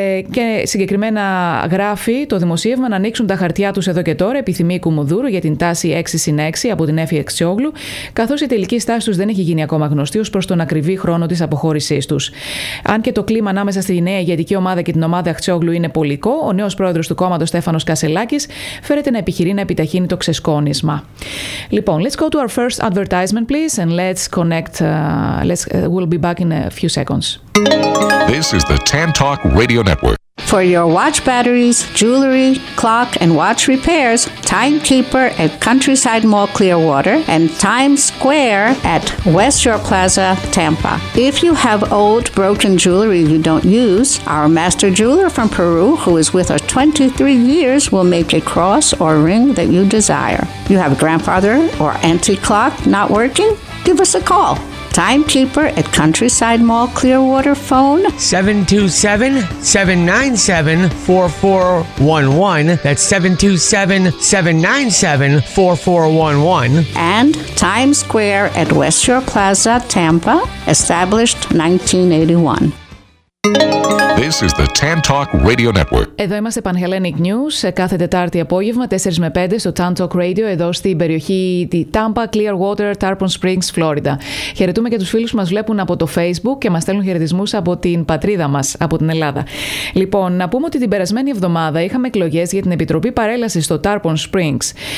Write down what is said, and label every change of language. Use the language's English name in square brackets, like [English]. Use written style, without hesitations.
[Greek] Και συγκεκριμένα γράφει το δημοσίευμα να ανοίξουν τα χαρτιά τους εδώ και τώρα, επιθυμεί η Κουμουνδούρου για την τάση 6-6 από την Έφη Αχτσιόγλου, καθώς η τελική στάση τους δεν έχει γίνει ακόμα γνωστή ως προς τον ακριβή χρόνο της αποχώρησής τους. Αν και το κλίμα ανάμεσα στη νέα ηγετική ομάδα και την ομάδα Αχτσιόγλου είναι πολικό, ο νέος πρόεδρος του κόμματος Στέφανος Κασελάκης φέρεται να επιχειρεί να επιταχύνει το ξεσκόνισμα. Λοιπόν, [English] let's go to our first advertisement, please, and let's connect. We'll be back in a few seconds. This is the Tan Talk Radio Network. For your watch batteries, jewelry, clock, and watch repairs, Timekeeper at Countryside Mall Clearwater and Times Square at West Shore Plaza, Tampa. If you have old, broken jewelry you don't use, our master jeweler from Peru, who is with us 23 years, will make a cross or ring that you desire. You have a grandfather or antique clock not working? Give us a call. Timekeeper at Countryside Mall Clearwater phone 727-797-4411. That's 727-797-4411. And Times Square at West Shore Plaza, Tampa, established 1981. This is the TAN Talk Radio Network. [Greek] Εδώ είμαστε Panhellenic News, κάθε Τετάρτη απόγευμα, 4 με 5 στο TAN Talk Radio, εδώ στην περιοχή τη Tampa, Clearwater, Tarpon Springs, Florida. Χαιρετούμε και τους φίλους που μας βλέπουν από το Facebook και μας στέλνουν χαιρετισμούς από την πατρίδα μας, από την Ελλάδα. Λοιπόν, να πούμε ότι την περασμένη εβδομάδα είχαμε εκλογές για την Επιτροπή Παρέλασης στο Tarpon Springs.